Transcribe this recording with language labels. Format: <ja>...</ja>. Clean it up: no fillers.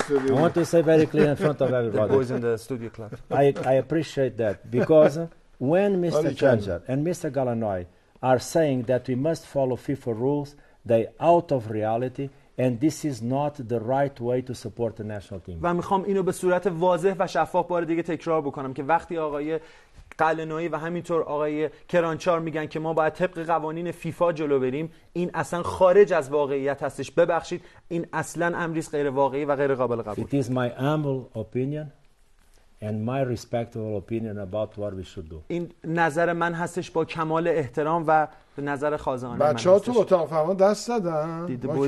<en>I want to say very clear in front of everybody. The boys in the studio club. I appreciate that because when Mr. Changer and Mr. Galanoy are saying that we must follow FIFA rules, they out of reality. And this is not the right way to support the national team.</en> <fa>و میخوام اینو به صورت واضح و شفاف بار دیگه تکرار بکنم که وقتی آقای قلنویی و همینطور آقای کرانچار میگن که ما باید طبق قوانین فیفا جلو بریم، این اصلا خارج از واقعیت هستش. ببخشید، این اصلا امری است غیر واقعی و غیر قابل قبول.</fa> <en>It is my humble opinion and my respectable opinion about what we should do.</en> <fa>این نظر من هستش با کمال احترام و به نظر خازانه من. بچه ها تو اتاق فرمان دست دادن.</fa>